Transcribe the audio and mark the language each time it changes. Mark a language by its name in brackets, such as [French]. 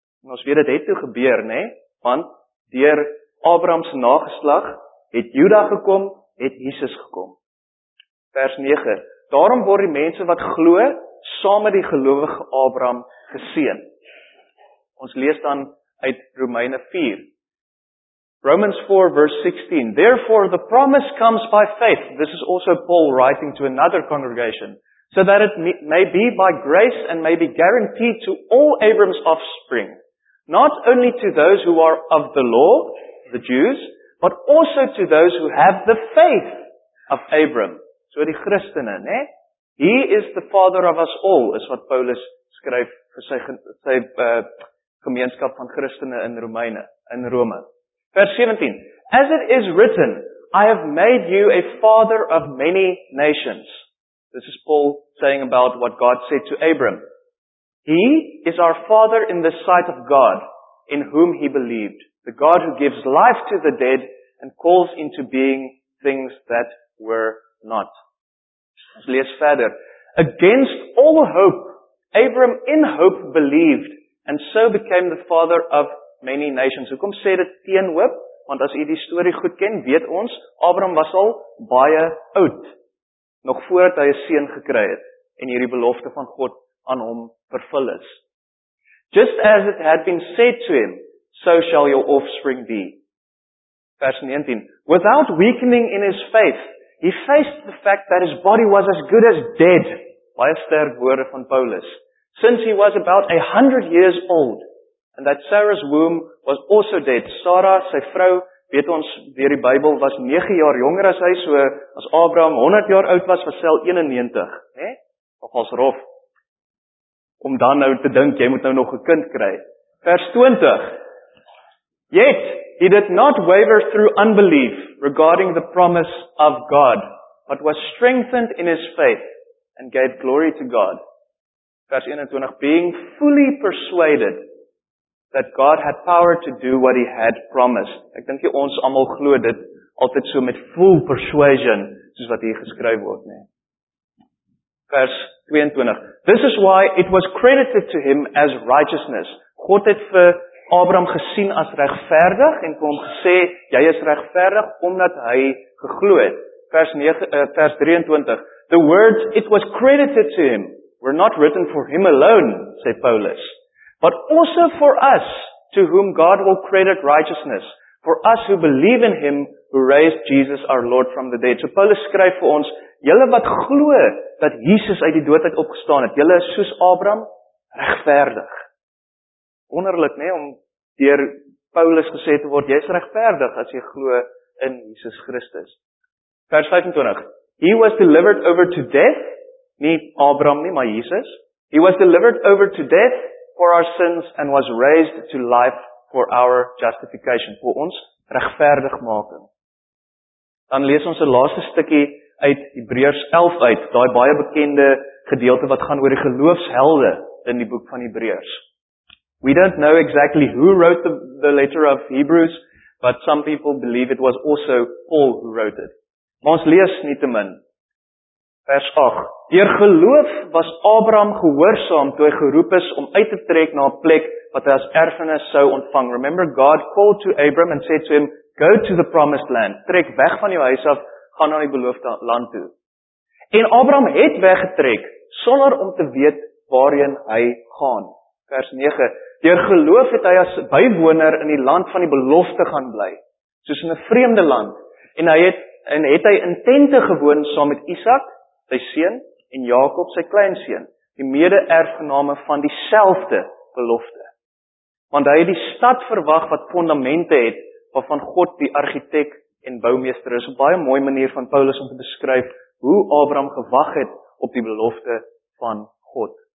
[Afrikaans] En ons weet, dit het toe gebeur, nê? Want deur Abraham se nageslag het Juda gekom, het Jesus gekom. Vers 9, daarom word die mense wat glo, saam met die gelowige Abraham geseën. Ons lees dan uit Romeine 4. [English] Romans 4 verse 16, therefore the promise comes by faith. This is also Paul writing to another congregation. So that it may be by grace and may be guaranteed to all Abram's offspring. Not only to those who are of the law, the Jews, but also to those who have the faith of Abram. [Afrikaans] So die Christene, né? [English] He is the father of us all, [Afrikaans] is wat Paulus skryf vir sy gemeenskap van Christene in Romeine, in Rome. [English] Vers 17, as it is written, I have made you a father of many nations. This is Paul saying about what God said to Abram. He is our father in the sight of God, in whom he believed, the God who gives life to the dead and calls into being things that were not. [Afrikaans] Ons lees verder. [English] Against all hope, Abram in hope believed, and so became the father of many nations. [Afrikaans] Hoekom sê dit teen hoop? Want as jy die story goed ken, weet ons, Abram was al baie oud, nog voordat hy 'n seun gekry het, en hierdie belofte van God aan hom vervul is. [English] Just as it had been said to him, so shall your offspring be. Vers 19, without weakening in his faith, he faced the fact that his body was as good as dead, [Afrikaans] baie sterk woorde van Paulus, [English] since he was about 100 years old, and that Sarah's womb was also dead. [Afrikaans] Sarah, sy vrou, weet ons, deur die Bybel, was 9 jaar jonger as hy, so as Abraham 100 jaar oud was, was sy al 91, hè? Of as rof, om dan nou te dink, jy moet nou nog 'n kind kry. [English] Vers 20, yet he did not waver through unbelief regarding the promise of God, but was strengthened in his faith and gave glory to God. Vers 21, being fully persuaded that God had power to do what he had promised. [Afrikaans] Ek dink jy ons almal glo dit altyd so met [English] full persuasion, [Afrikaans] soos wat hier geskryf word, nee. [English] Vers 22, this is why it was credited to him as righteousness. [Afrikaans] God het vir Abraham gesien as regverdig, en vir hom gesê, jy is regverdig, omdat hy geglo het. [English] Vers 23, the words, it was credited to him, were not written for him alone, [Afrikaans] sê Paulus, [English] but also for us, to whom God will credit righteousness, for us who believe in him, who raised Jesus our Lord from the dead. [Afrikaans] So Paulus skryf vir ons, julle wat glo dat Jesus uit die doodheid opgestaan het, julle is soos Abraham, regverdig. Wonderlik, nê, om deur Paulus gesê te word, jy is regverdig as jy glo in Jesus Christus. [English] Vers 25, he was delivered over to death, [Afrikaans] nie Abraham nie, maar Jesus, [English] he was delivered over to death, for our sins and was raised to life for our justification, [Afrikaans] vir ons regverdigmaking. Dan lees ons 'n laaste stukkie uit Hebreërs 11 uit, daai baie bekende gedeelte wat gaan oor die geloofshelde in die boek van Hebreërs. [English] We don't know exactly who wrote the letter of Hebrews, but some people believe it was also Paul who wrote it. [Afrikaans] Maar ons lees nietemin vers 8, deur geloof was Abraham gehoorsaam toe hy geroep is om uit te trek na 'n plek wat hy as erfenis sou ontvang. [English] Remember, God called to Abram and said to him, go to the promised land, [Afrikaans] trek weg van jou huis af, gaan na die beloofde land toe. En Abraham het weggetrek, sonder om te weet waarheen hy gaan. Vers 9, deur geloof het hy as bywoner in die land van die belofte gaan bly, soos in 'n vreemde land, en het hy in tente gewoon saam met Isak, sy seun, en Jakob, sy kleinseun, die mede-erfgename van dieselfde belofte. Want hy het die stad verwag wat fondamente het, waarvan God die argitek en boumeester is. Op baie mooi manier van Paulus om te beskryf hoe Abraham gewag het op die belofte van God.